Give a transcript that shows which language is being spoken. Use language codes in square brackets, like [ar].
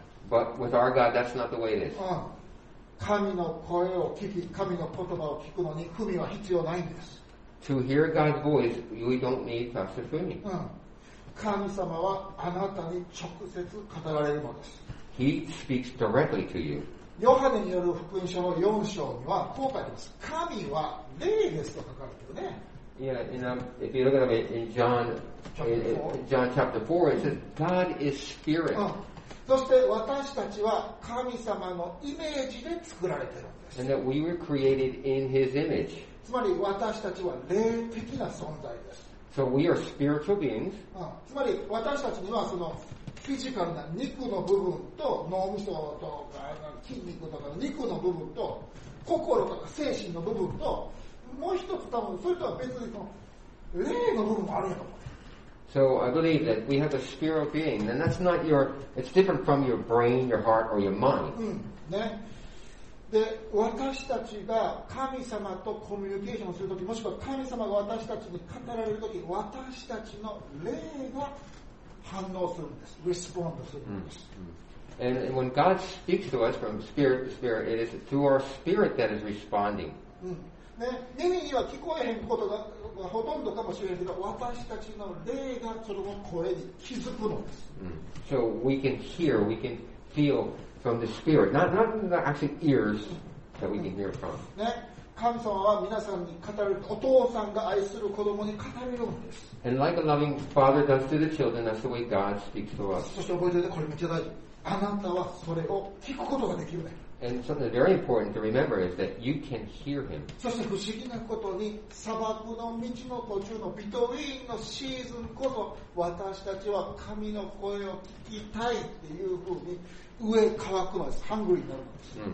[en] But with our God, that's not the way it is. [ja] 神の声を聞き、神の言葉を聞くのに文は必要ないんです。 [en] To hear God's voice, we don't need Pastor Fumi. [ja] 神様はあなたに直接語られるのです。 [en] He speaks directly to you. [ja] ヨハネによる福音書の4章にはこう書いてます。神は霊ですと書かれてるね。 [en] Yeah, and if you look at it in John, John chapter 4, it says, God is spirit. [ja] そして私たちは神様のイメージで作られてるんです。 [en] And that we were created in his image. [ja] つまり私たちは霊的な存在です。 [en] So we are spiritual beings. [ja] つまり私たちにはそのフィジカルな肉の部分と脳みそとか筋肉とかの肉の部分と心とか精神の部分ともう一つ多分それとは別にその霊の部分もあるやと思う。 [en] So I believe that we have a spirit being, and that's not your, it's different from your brain, your heart, or your mind. ね。 [ja] で、私たちが神様とコミュニケーションするとき、もしくは神様が私たちに語られるとき、私たちの霊が反応するんです。Respond するんです。 [en] And when God speaks to us from spirit to spirit, it is through our spirit that is responding. [ja] ね、耳には聞こえへんことがほとんどかもしれないけど、私たちの霊がその声に気づくのです。 [en] So we can hear, we can feel from the spirit, not actually ears that we can hear from. [ja] ね、神様は皆さんに語る、お父さんが愛する子供に語れるんです。 [en] And like a loving father does to the children, that's the way God speaks to us. [ja] そして覚えておいて、これめっちゃ大事。あなたはそれを聞くことができるね。 [en] And something very important to remember is that you can hear him. [ja] そして不思議なことに、砂漠の道の途中のビトウィーンのシーズンこそ、私たちは神の声を聞きたいっていうふうに上渇くのです。Hungry になるのです。